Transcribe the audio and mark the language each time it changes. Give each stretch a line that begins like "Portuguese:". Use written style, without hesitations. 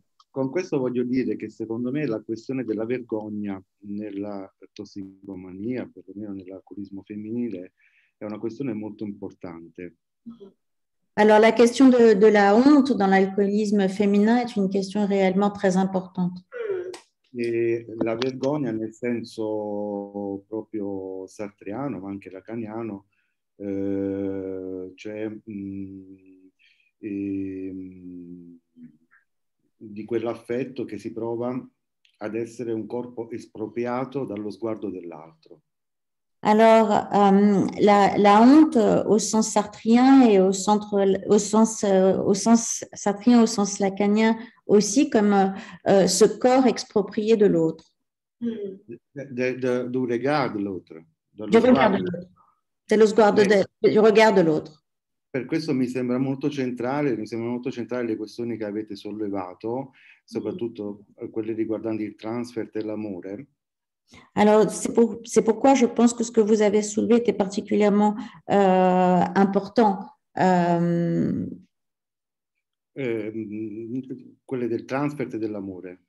Italian: Con questo voglio dire che secondo me la questione della vergogna nella tossicomania, perlomeno nell'alcolismo femminile, è una questione molto importante.
French: Alors la question de la honte dans l'alcoolisme féminin est une question réellement très importante.
Italian: E la vergogna nel senso proprio sartreano, ma anche lacaniano, di quell'affetto che si prova ad essere un corpo espropriato dallo sguardo dell'altro.
French: Alors, la honte au sens sartrien et au sens sartrien, au sens lacanien aussi, comme ce corps exproprié de l'autre. Du regard de l'autre. Du regard de l'autre.
Italian: Per questo mi sembra molto centrale le questioni che avete sollevato, soprattutto quelle riguardanti il transfert e l'amore.
French: Alors, c'est pourquoi je pense que ce que vous avez soulevé était particulièrement important.
Italian: Quelle del transfert e dell'amore.